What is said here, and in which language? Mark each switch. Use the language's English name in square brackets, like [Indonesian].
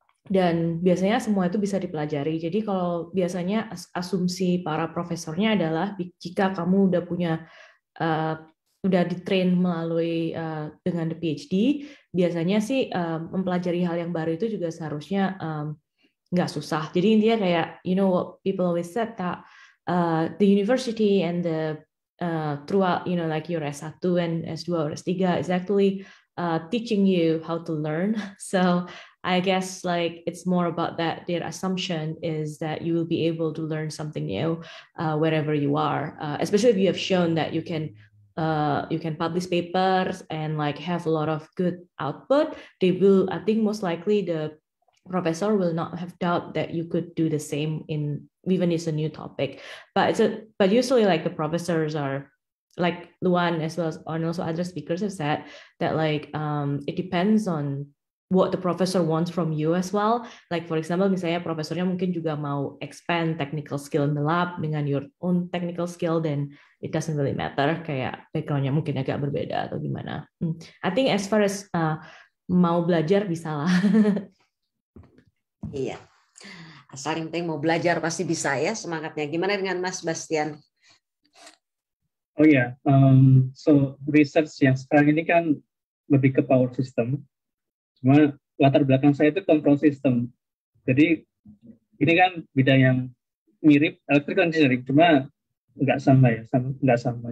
[Indonesian] Dan biasanya semua itu bisa dipelajari. Jadi kalau biasanya asumsi para profesornya adalah jika kamu udah punya udah di-train melalui dengan the PhD, biasanya sih mempelajari hal yang baru itu juga seharusnya nggak susah. Jadi intinya kayak [English] you know what people always said that the university and the throughout you know like your S1 and S2 or S3 is actually teaching you how to learn. So I guess like it's more about that. Their assumption is that you will be able to learn something new wherever you are, especially if you have shown that you can publish papers and like have a lot of good output. They will, I think most likely the professor will not have doubt that you could do the same in even it's a new topic. But but usually like the professors are like Luan as well as and also other speakers have said that like it depends on what the professor wants from you as well. Like for example, [Indonesian] misalnya profesornya mungkin juga mau [English] expand technical skill in the lab [Indonesian] dengan [English] your own technical skill, then it doesn't really matter. [Indonesian] Kayak background-nya mungkin agak berbeda atau gimana. [English] I think as far as [Indonesian] mau belajar bisa lah. Iya. Asal yang penting mau belajar pasti bisa ya semangatnya. Gimana dengan Mas Bastian? Oh iya. So research yang sekarang ini kan lebih ke power system. Cuma latar belakang saya itu control system. Jadi ini kan bidang yang mirip electrical engineering, cuma nggak sama ya, nggak sama.